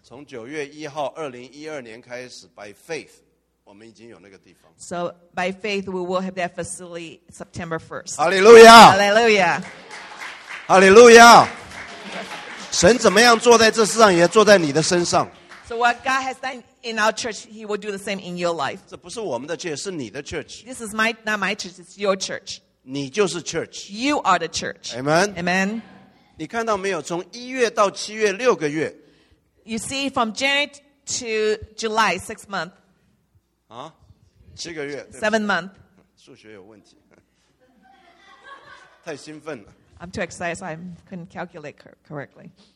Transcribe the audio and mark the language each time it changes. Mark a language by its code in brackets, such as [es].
[zh] 从9月1号 2012年开始, [en] by faith, [zh] 我们已经有那个地方。 [en] So by faith we will have that facility September 1st. Hallelujah! Hallelujah! Hallelujah! [zh] 神怎么样坐在这世上也坐在你的身上。 [en] So what God has done in our church, he will do the same in your life. [zh] 这不是我们的church, 是你的church。 [en] This is not my church, it's your church. [zh] 你就是church。 [en] You are the church. Amen. Amen. [zh] 你看到没有, 从1月到7月, 6个月。 [en] You see, from January to July, 6 months. [zh] 啊?7个月。 [en] 7 months. [zh] 数学有问题。太兴奋了。 [en] I'm too excited, so I couldn't calculate correctly.